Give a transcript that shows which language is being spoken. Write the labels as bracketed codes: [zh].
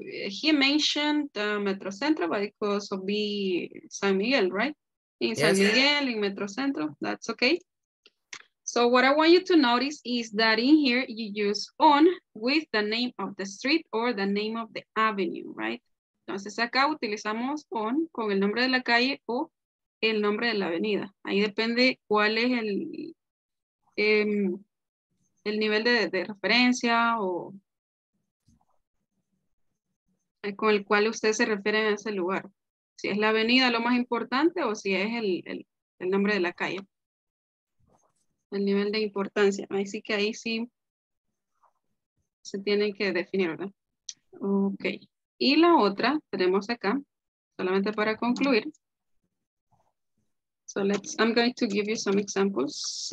[en] He mentioned metrocentro, but it could also be San Miguel, right? In San yes. Miguel, in metrocentro, that's okay. So what I want you to notice is that in here you use on with the name of the street or the name of the avenue, right? [es] Entonces acá utilizamos on con el nombre de la calle o el nombre de la avenida. Ahí depende cuál es el nivel de referencia o con el cual usted se refiere a ese lugar. Si es la avenida lo más importante o si es el nombre de la calle. El nivel de importancia. Así que ahí sí se tienen que definir, ¿verdad? Ok. Y la otra tenemos acá, solamente para concluir. [en] So let's, I'm going to give you some examples.